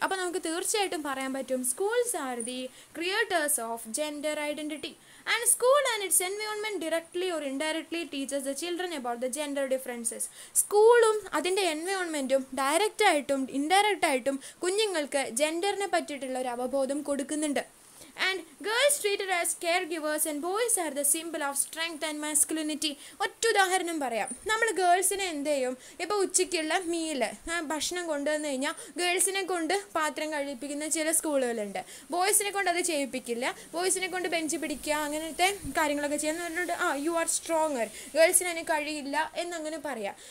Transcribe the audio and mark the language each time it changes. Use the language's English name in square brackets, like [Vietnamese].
[Malayalam] അപ്പോൾ നമുക്ക് തീർച്ചയായിട്ടും പറയാൻ പറ്റും [English] Schools are the creators of gender identity. And school and its environment directly or indirectly teachers the children about the gender differences. [Malayalam] സ്കൂളും അതിൻ്റെ എൻവയോൺമെൻറ്റും ഡയറക്റ്റായിട്ടും ഇൻഡയറക്റ്റായിട്ടും കുഞ്ഞുങ്ങൾക്ക് ജെൻഡറിനെ പറ്റിയിട്ടുള്ള ഒരു അവബോധം കൊടുക്കുന്നുണ്ട്. [English] And girls treated as caregivers and boys are the symbol of strength and masculinity. [Malayalam] ഒറ്റ ഉദാഹരണം പറയാം. നമ്മൾ ഗേൾസിനെ എന്ത് ചെയ്യും, ഇപ്പോൾ ഉച്ചയ്ക്കുള്ള മീല് ഭക്ഷണം കൊണ്ടുവന്ന് കഴിഞ്ഞാൽ ഗേൾസിനെ കൊണ്ട് പാത്രം കഴിപ്പിക്കുന്ന ചില സ്കൂളുകളുണ്ട്, ബോയ്സിനെ കൊണ്ട് അത് ചെയ്യിപ്പിക്കില്ല, ബോയ്സിനെ കൊണ്ട് ബെഞ്ച് പിടിക്കുക അങ്ങനത്തെ കാര്യങ്ങളൊക്കെ ചെയ്യാന്ന് പറഞ്ഞിട്ട് [English] you are stronger, [Malayalam] ഗേൾസിനു കഴിയില്ല എന്നങ്ങനെ പറയാം.